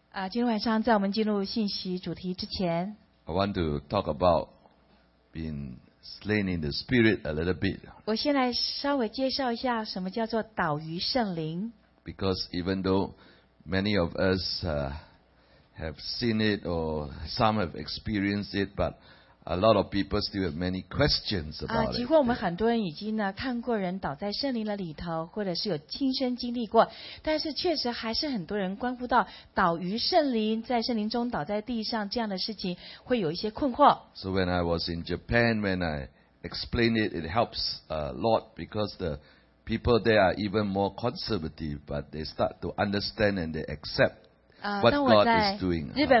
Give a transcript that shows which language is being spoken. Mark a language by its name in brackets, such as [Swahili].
[Chinese] 今天晚上在我们进入信息主题之前, [English] I want to talk about being slain in the spirit a little bit. [Chinese] 我先来稍微介绍一下什么叫做祷于圣灵。 [English] Because even though many of us have seen it or some have experienced it, but a lot of people still have many questions about it. [Chinese] 几乎我们很多人已经看过人倒在圣灵的里头，或者是有亲身经历过，但是确实还是很多人关乎到倒于圣灵，在圣灵中倒在地上这样的事情，会有一些困惑。So [English] when I was in Japan, when I explained it, it helps a lot because the people there are even more conservative, but they start to understand and they accept what God is doing.